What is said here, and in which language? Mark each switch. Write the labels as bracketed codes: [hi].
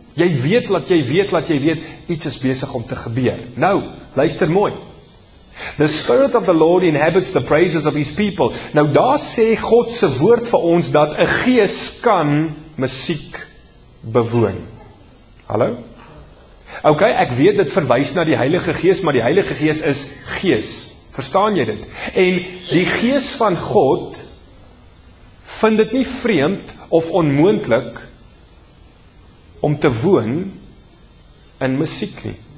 [af] Jy weet dat jy weet dat jy weet iets is besig om te gebeur. Nou, luister mooi. [en] The Spirit of the Lord inhabits the praises of His people. [af] Nou daar sê Godse woord vir ons dat 'n gees kan musiek bewoon. Hallo? Ok, ek weet dit verwys na die Heilige Gees, maar die Heilige Gees is gees. Verstaan jy dit? En die Gees van God vind dit nie vreemd of onmoontlik om te woon in musiek nie.